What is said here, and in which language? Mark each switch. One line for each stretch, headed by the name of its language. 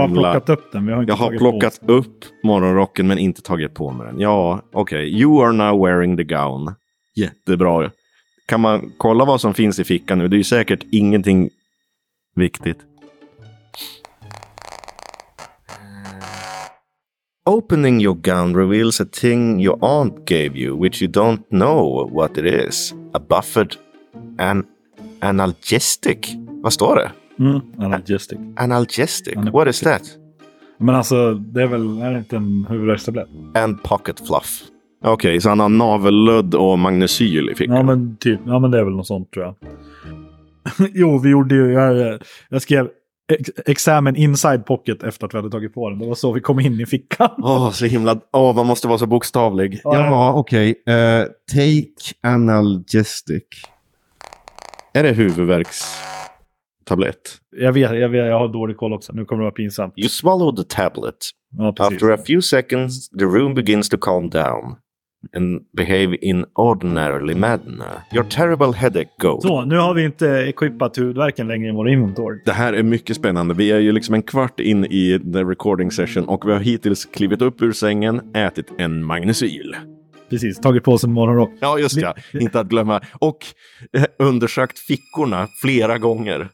Swedish: himla... bara plockat upp den, men jag har inte jag tagit har plockat på. Upp morgonrocken, men inte tagit på mig den. Ja, okej. Okay.
English: You are now wearing the gown.
Swedish: Jättebra. Kan man kolla vad som finns i fickan nu? Det är ju säkert ingenting viktigt.
English: Opening your gown reveals a thing your aunt gave you, which you don't know what it is. A buffered and analgesic.
Swedish: Vad står det?
English: Mm, analgesic. Analgesic. What is that?
Swedish: Men alltså, det är väl är det inte en huvudvärkstablett?
English: And pocket fluff.
Swedish: Okej, okay, så han har navelludd och magnesyl i fickan. Ja, men typ. Ja, men det är väl något sånt, tror jag. Jo, vi gjorde ju... Jag skrev...
English: examen inside pocket
Swedish: efter att vi hade tagit på den. Det var så vi kom in i fickan. Åh, oh, så himla... Åh, oh, man måste vara så bokstavlig. Oh, ja, ja. Okej. Okay.
English: Take analgesic.
Swedish: Är det huvudvärkstablett? Jag vet. Jag har dålig koll också. Nu kommer det vara pinsamt.
English: You swallowed the tablet.
Swedish: Ja, precis.
English: After a few seconds, the room begins to calm down and behave in ordinarily madness. Your terrible headache goes.
Swedish: Så, nu har vi inte equipat huvudvärken längre i vår inventory. Det här är mycket spännande. Vi är ju liksom en kvart in i
English: the recording session
Swedish: och vi har hittills klivit upp ur sängen, ätit en magnesyl. Precis, tagit på oss en morgonrock. Ja, just det. Inte att glömma. Och undersökt fickorna flera gånger.